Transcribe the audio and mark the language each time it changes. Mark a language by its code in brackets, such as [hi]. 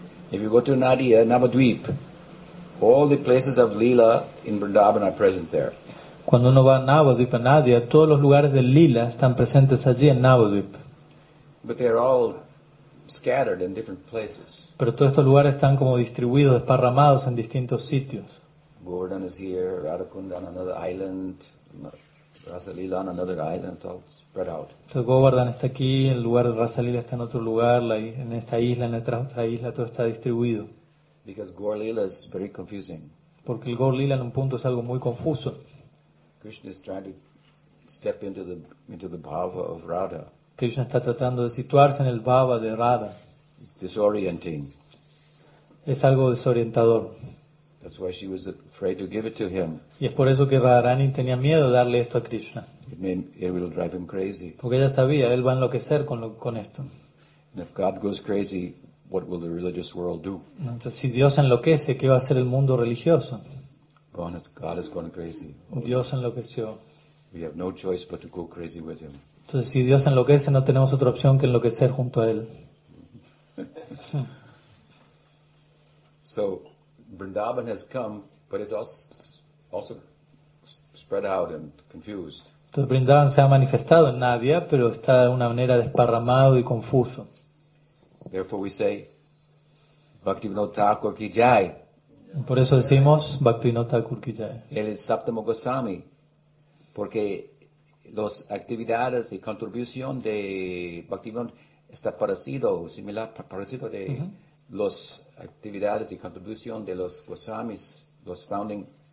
[en] If you go to Nadia, Navadvip, all the places of Lila in Vrindavan are present there. [es] Cuando uno va a Navadvip, a Nadia, todos los lugares de Lila están presentes allí en Navadvip. [en] But they are all scattered in different places. [es] Pero todos estos lugares están como distribuidos, esparramados en distintos sitios. [en] Gordon is here, Radhakunda on another island, Rasa Lila on another island, all spread out. [es] So Govardhan está aquí, el lugar de Rasa Lila está en otro lugar, en esta isla, en otra isla, todo está distribuido. [en] Because Gaur Lila is very confusing. [es] Porque el Gaur Lila en un punto es algo muy confuso. [en] Krishna is trying to step into the bhava of Radha. [es] Krishna está tratando de situarse en el bhava de Radha. [en] It's disorienting. [es] Es algo desorientador. [en] That's why she was afraid to give it to him. [es] Y es por eso que Radharani tenía miedo de darle esto a Krishna. [en] It will drive him crazy. [es] Porque ella sabía, él va a enloquecer con esto. [en] And if God goes crazy, what will the religious world do? [es] Entonces, si Dios enloquece, ¿qué va a hacer el mundo religioso? [en] God has gone crazy. [es] Dios enloqueció. [en] We have no choice but to go crazy with him. [es] Entonces, si Dios enloquece, no tenemos otra opción que enloquecer junto a él. [en] So, Vrindavan has come, but it's also spread out and confused. [es] Entonces, Vrindavan se ha manifestado en Nadia, pero está de una manera desparramado y confuso. [en] Therefore we say, Bhaktivinoda Thakur ki jai. [es] Por eso decimos, Bhaktivinoda Thakur ki jai. Él es Saptamo Goswami, porque las actividades y contribución de Bhaktivinoda está parecido, similar, parecido de las actividades y contribución de los Goswamis, los founding